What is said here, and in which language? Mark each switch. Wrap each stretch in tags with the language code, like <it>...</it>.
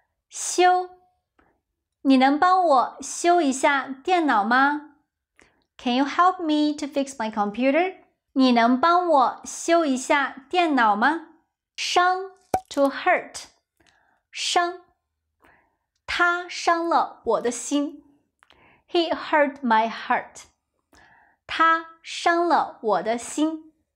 <zh>修，你能帮我修一下电脑吗？</zh> <en>Can you help me to fix my computer?</en> <zh>你能帮我修一下电脑吗？伤</zh> <en>to hurt.</en> <zh>伤，他伤了我的心。</zh> <en>He hurt my heart.</en> <zh>他伤了我的心。</zh>